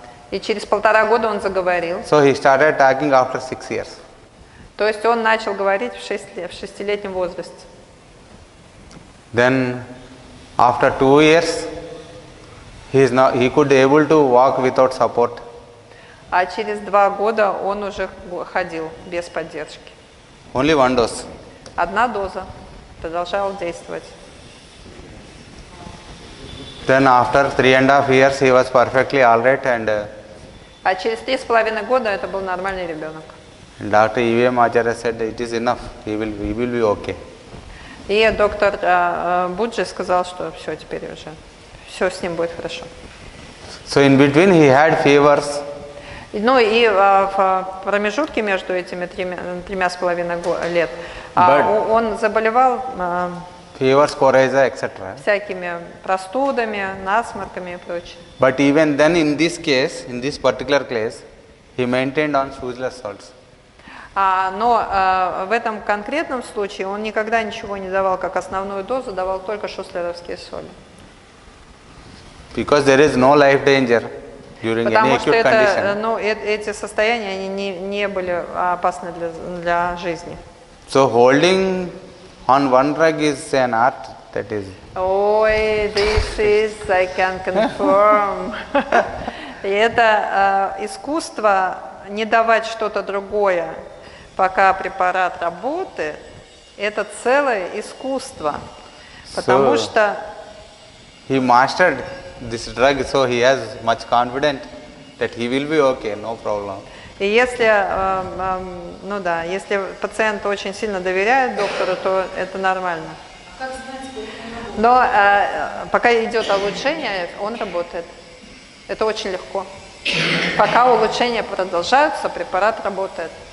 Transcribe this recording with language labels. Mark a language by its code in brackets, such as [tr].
[ru] И через 1.5 года он заговорил. [en] So he started talking after 6 years. [ru] То есть он начал говорить в 6 лет, в 6-летнем возрасте. [en] Then after 2 years he could able to walk without support. [ru] А через 2 года он уже ходил без поддержки. [en] Only one dose. [ru] Одна доза продолжал действовать. [en] Then after 3.5 years he was perfectly all right and. [ru] А через 3.5 года это был нормальный ребенок. [en] Doctor EVM Acharya said it is enough. He will be okay. [ru] И доктор Буджи сказал, что все теперь уже все с ним будет хорошо. [en] So in between he had fevers. [ru] Ну и в промежутке между этими 3.5 лет он заболевал. [en] Fevers, coryza, etc. [ru] Всякими простудами, насморками и прочее. [en] But even then, in this case, in this particular case, he maintained on fuzeless salts. [ru] Но в этом конкретном случае он никогда ничего не давал как основную дозу, давал только шустлеровские соли. [en] Because there is no life danger during [ru] Потому [en] any acute condition. [ru] Потому что эти состояния они не были опасны для жизни. [en] So holding on one drug is an art that is. Ой, this is I can confirm. [ru] И это искусство не давать что-то другое, пока препарат работает, это целое искусство, потому [en] so, [ru] что. [en] He mastered this drug, so he has much confident that he will be okay, no problem. [ru] И если, ну да, если пациент очень сильно доверяет доктору, то это нормально. Но пока идет улучшение, он работает. Это очень легко. Пока улучшения продолжаются, препарат работает.